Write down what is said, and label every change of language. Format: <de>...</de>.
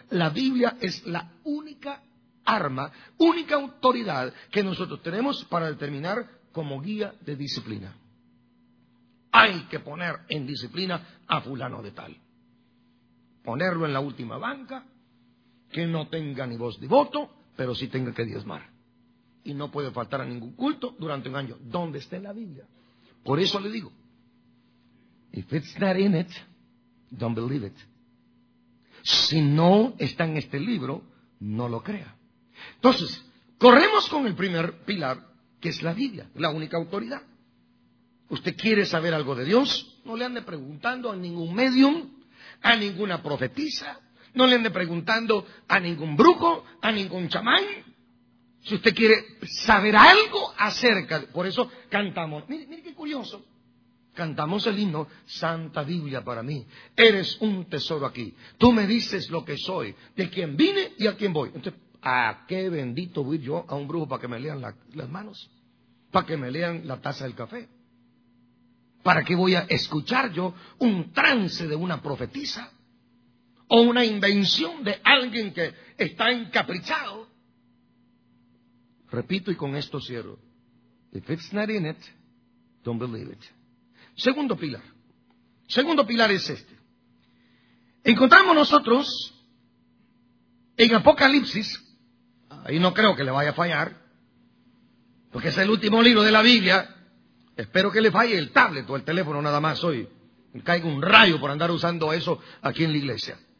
<es>La Biblia es la única arma, única autoridad que nosotros tenemos para determinar como guía de disciplina. Hay que poner en disciplina a fulano de tal. Ponerlo en la última banca, que no tenga ni voz ni voto, pero sí tenga que diezmar. Y no puede faltar a ningún culto durante un año. ¿Dónde está la Biblia?</es> <en>Por eso le digo, if it's not in it, don't believe it.</en> <es>Si no está en este libro, no lo crea. Entonces, corremos con el primer pilar, que es la Biblia, la única autoridad. ¿Usted quiere saber algo de Dios? No le ande preguntando a ningún médium, a ninguna profetisa, no le ande preguntando a ningún brujo, a ningún chamán. Si usted quiere saber algo acerca, por eso cantamos, mire qué curioso, cantamos el himno, Santa Biblia para mí, eres un tesoro aquí, tú me dices lo que soy, de quién vine y a quién voy. Entonces, ¿a qué bendito voy yo a un brujo para que me lean las manos? para que me lean la taza del café? ¿Para qué voy a escuchar yo un trance de una profetisa? ¿O una invención de alguien que está encaprichado? Repito y con esto cierro.</es> <en>If it's not in it, don't believe it.</en> <es>Segundo pilar. Segundo pilar es este. Encontramos nosotros en Apocalipsis, ahí no creo que le vaya a fallar, porque es el último libro de la Biblia. Espero que le falle el tablet o el teléfono nada más hoy. Caiga un rayo por andar usando eso aquí en la iglesia.</es>